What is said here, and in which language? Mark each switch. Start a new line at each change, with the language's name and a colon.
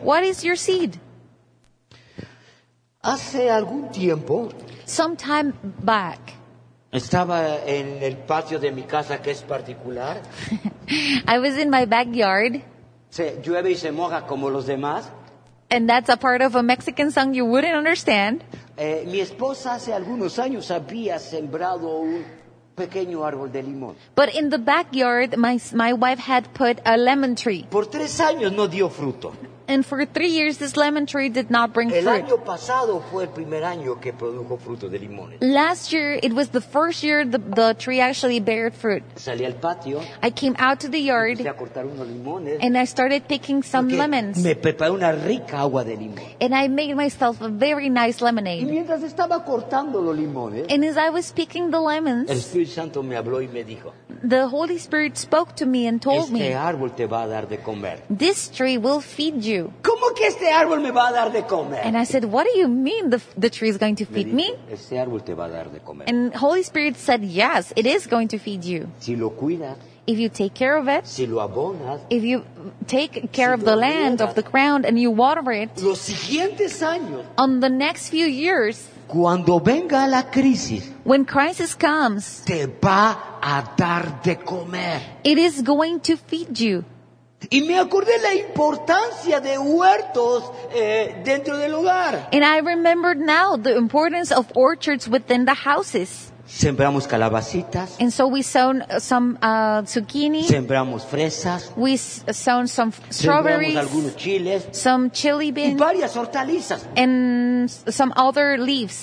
English: What is your seed?
Spanish: Hace algún tiempo,
English: some time back,
Spanish: estaba en el patio de mi casa que es particular.
English: I was in my backyard.
Spanish: Se llueve y se moja como los demás.
English: And that's a part of a Mexican song you wouldn't understand.
Spanish: Mi esposa hace algunos años había sembrado un pequeño árbol de limón.
English: But in the backyard, my wife had put a lemon tree.
Spanish: Por tres años no dio fruto.
English: And for 3 years, this lemon tree did not bring
Spanish: el
English: fruit.
Spanish: Año pasado fue el primer año que produjo fruto de limones.
English: Last year, it was the first year the tree actually bore fruit.
Spanish: Salí al patio.
English: I came out to the yard.
Spanish: Empecé a cortar unos limones.
English: And I started picking some lemons.
Spanish: Me preparé una rica agua de limón.
English: And I made myself a very nice lemonade.
Spanish: Y mientras estaba cortando los limones,
English: and as I was picking the lemons,
Spanish: el Espíritu Santo me habló y me dijo,
English: the Holy Spirit spoke to me and told
Spanish: este
English: me,
Spanish: árbol te va a dar de comer.
English: This tree will feed you.
Spanish: ¿Cómo que este árbol me va a dar de comer?
English: And I said, what do you mean the tree is going to feed me?
Spanish: Este árbol te va a dar de comer.
English: And Holy Spirit said, yes, it is going to feed you.
Spanish: Si lo cuidas,
English: if you take care of it,
Spanish: si lo abonas,
English: if you take care
Spanish: si
English: of the land,
Spanish: abonas,
English: of the ground, and you water it,
Spanish: los siguientes años,
English: on the next few years,
Spanish: cuando venga la crisis,
English: when crisis comes,
Spanish: te va a dar de comer.
English: It is going to feed you.
Spanish: Y me acordé la importancia de huertos dentro del hogar.
English: And I remembered now the importance of orchards within the houses.
Spanish: Sembramos calabacitas.
English: And so we sown some zucchini.
Spanish: Sembramos fresas.
English: We sown some strawberries.
Spanish: Sembramos algunos chiles.
English: Some chili beans.
Spanish: Y varias hortalizas.
English: And some other leaves.